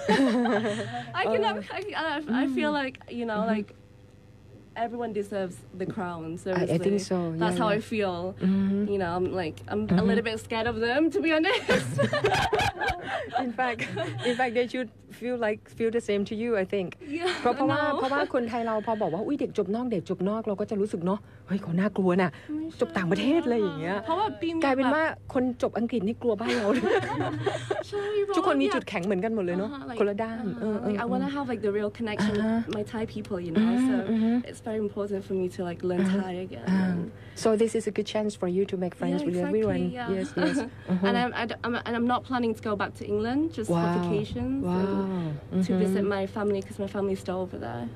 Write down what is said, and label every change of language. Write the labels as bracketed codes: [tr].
[en] I feel like, you know, mm-hmm. like everyone deserves the crown. Seriously. I think so. Yeah, That's yeah. how I feel. Mm-hmm. You know, I'm like, I'm mm-hmm. a little bit scared of them, to be honest. In fact, they should feel the same to you, I think. Yeah, [th] เพราะว่าคนไทยเราพอบอกว่าอุ้ยเด็กจบนอกเด็กจบนอกเราก็จะรู้สึกเนาะเฮ้ยเขาน่ากลัวน่ะจบต่างประเทศเลยอย่างเงี้ย เพราะว่าปี กลายเป็นว่าคนจบอังกฤษนี่กลัวบ้านเราเลยทุกคนมีจุดแข็งเหมือนกันหมดเลยเนาะคนละด้าน [en] I wanna have like the real connection with my Thai people, you know. So it's very important for me to like learn Thai again. So this is a good chance for you to make friends with everyone. Yes, yes. And I'm not planning to go back to England just for vacations. Wow. To visit my family because my family's still over there.